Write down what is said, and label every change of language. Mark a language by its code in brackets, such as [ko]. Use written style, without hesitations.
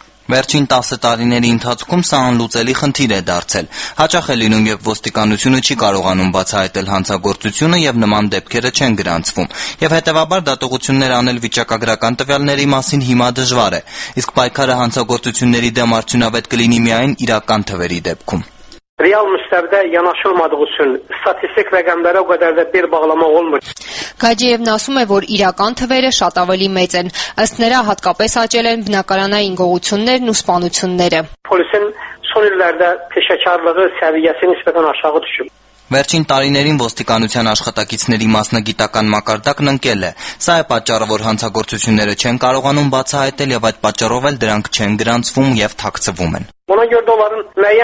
[hy] Վերջին 10 տարիների ընթացքում սա անլուծելի խնդիր է դարձել։ Հաճախ է լինում, երբ ոստիկանությունը չի կարողանում բացահայտել հանցագործությունը եւ նման դեպքերը չեն գրանցվում։ Եվ հետեւաբար դատողություններ անել վիճակագրական տվյալների մասին հիմա դժվար է։ Իսկ պայքարը հանցագործությունների դեմ արդյունավետ կլինի միայն իրական թվերի դեպքում։ [az] Real müstəvidə yanaşılmadığı üçün statistik rəqəmlərə o qədər də bir bağlamaq olmur. [hy] Gajiyevն ասում է, որ իրական թվերը շատ ավելի մեծ են, ըստ նրա հատկապես աճել են բնակարանային գողություններն ու սպանությունները։ [az] Polisin son illərdə peşəkarlığı səviyyəsi nisbətən aşağı düşüb. [hy] Վերջին տարիներին ոստիկանության աշխատակիցների մասնագիտական մակարդակն ընկել է։ Սա է պատճառը, որ հանցագործությունները չեն կարողանում բացահայտել եւ այդ պատճառով էլ դրանք չեն գրանցվում եւ թաքցվում են։